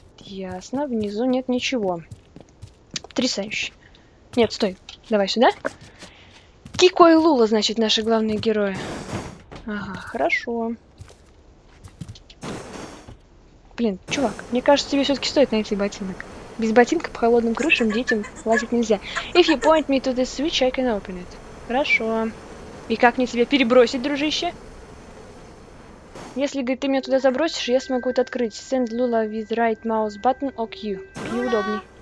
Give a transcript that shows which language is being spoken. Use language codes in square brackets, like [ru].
[ru] Ясно, внизу нет ничего. Потрясающе. Нет, стой. Давай сюда. Кико и Лула, значит, наши главные герои. Ага, хорошо. Блин, чувак, мне кажется, тебе все-таки стоит найти ботинок. Без ботинка по холодным крышам детям лазить нельзя. [en] If you point me to the switch, I can open it. [ru] Хорошо. И как мне тебя перебросить, дружище? Если, говорит, ты меня туда забросишь, я смогу это открыть. [en] Send Lula with right mouse button or Q. Q [ru] удобней.